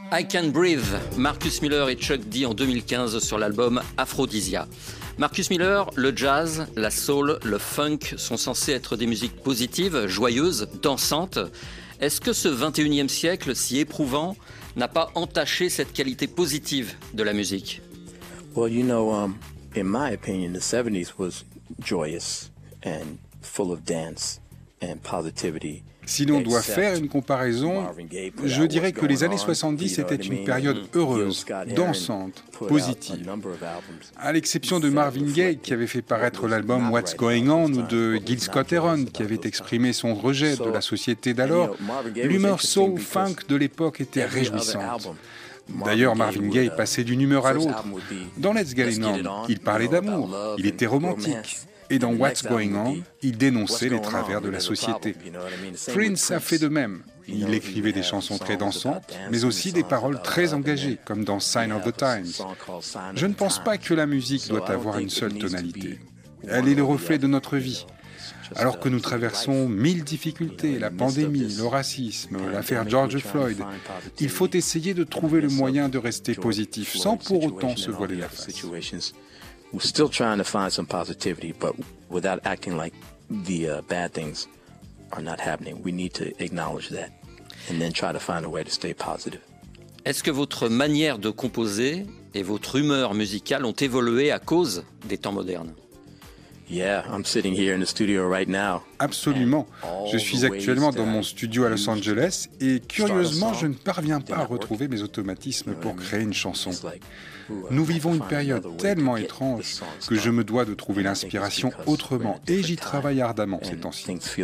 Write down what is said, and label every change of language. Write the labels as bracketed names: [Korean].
[French] Can Breathe, Marcus Miller et Chuck D en 2015 sur l'album Aphrodisia. Marcus Miller, le jazz, la soul, le funk sont censés être des musiques positives, joyeuses, dansantes. Est-ce que ce 21e siècle si éprouvant n'a pas entaché cette qualité positive de la musique? [English] Well, you know, in my opinion, the 70s was joyous and full of dance and positivity. [French] Si l'on doit faire une comparaison, je dirais que les années 70 étaient une période heureuse, dansante, positive. À l'exception de Marvin Gaye, qui avait fait paraître l'album What's Going On, ou de Gil Scott Heron, qui avait exprimé son rejet de la société d'alors, l'humeur soul funk de l'époque était réjouissante. D'ailleurs, Marvin Gaye passait d'une humeur à l'autre. Dans Let's Get It On, il parlait d'amour, il était romantique. Et dans What's Going On, il dénonçait les travers de la société. Prince a fait de même. Il écrivait des chansons très dansantes, mais aussi des paroles très engagées, comme dans Sign of the Times. Je ne pense pas que la musique doit avoir une seule tonalité. Elle est le reflet de notre vie. Alors que nous traversons mille difficultés, la pandémie, le racisme, l'affaire George Floyd, il faut essayer de trouver le moyen de rester positif, sans pour autant se voiler la face. [English] We're still trying to find some positivity, but without acting like the bad things are not happening. We need to acknowledge that and then try to find a way to stay positive. [French] Est-ce que votre manière de composer et votre humeur musicale ont évolué à cause des temps modernes? [English] Yeah, I'm sitting here in the studio right now. [French] Absolument. Je suis actuellement dans mon studio à Los Angeles et curieusement, je ne parviens pas à retrouver mes automatismes pour créer une chanson. Nous vivons une période tellement étrange que je me dois de trouver l'inspiration autrement et j'y travaille ardemment ces temps-ci.